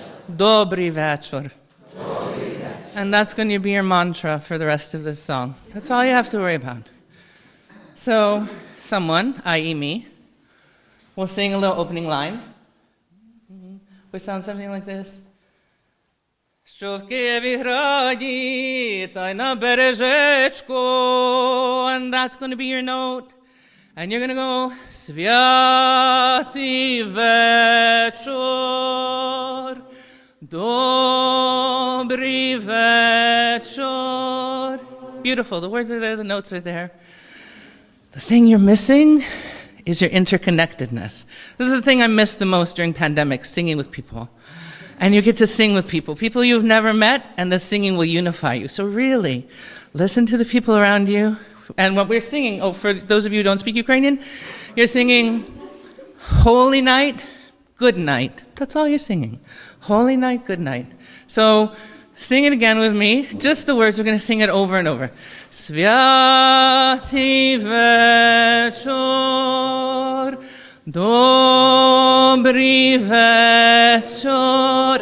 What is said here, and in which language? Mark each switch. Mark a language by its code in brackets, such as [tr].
[uk] Dobri Vechor. [en] And that's going to be your mantra for the rest of this song. That's all you have to worry about. So, someone, i.e. me, will sing a little opening line, which sounds something like this. [uk] Що в Києві граді, та й на бережечку. [en] And that's going to be your note. And you're going to go, [uk] Святий вечір, добрий вечір. [en] Beautiful. The words are there. The notes are there. The thing you're missing is your interconnectedness. This is the thing I miss the most during pandemic, singing with people. And you get to sing with people, people you've never met, and the singing will unify you. So really, listen to the people around you. And what we're singing, oh, for those of you who don't speak Ukrainian, you're singing Holy Night, Good Night. That's all you're singing. Holy Night, Good Night. So sing it again with me. Just the words. We're going to sing it over and over. [uk] Святий вечір, добрий вечір.